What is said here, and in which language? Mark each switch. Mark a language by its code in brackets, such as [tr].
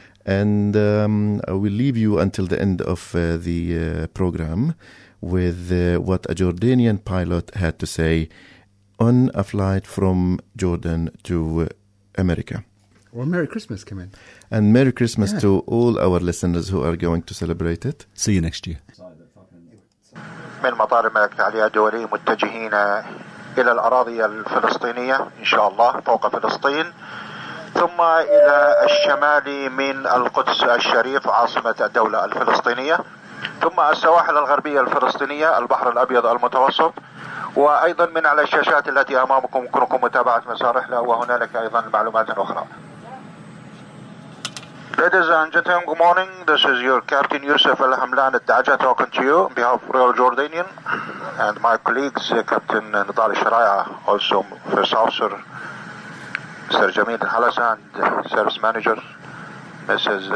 [en] And I will leave you until the end of the program with what a Jordanian pilot had to say on a flight from Jordan to America. Well, Merry Christmas, come in. And Merry Christmas to all our listeners who are going to celebrate it. See you next year. [ar] من مطار الملك علي الدولي متجهين إلى الأراضي الفلسطينية إن شاء الله فوق فلسطين ثم إلى الشمال من القدس الشريف عاصمة الدولة الفلسطينية ثم السواحل الغربية الفلسطينية البحر الأبيض المتوسط وأيضا من على الشاشات التي أمامكم يمكنكم متابعة مسار رحلة وهنالك أيضا معلومات أخرى. [en] Ladies and gentlemen, good morning. This is your Captain Yusuf Al Hamlan Al Daja talking to you on behalf of Royal Jordanian and my colleagues, Captain Nidal Sharaya, also First Officer Sir Jameel Al Halasan, Service Manager, Mrs.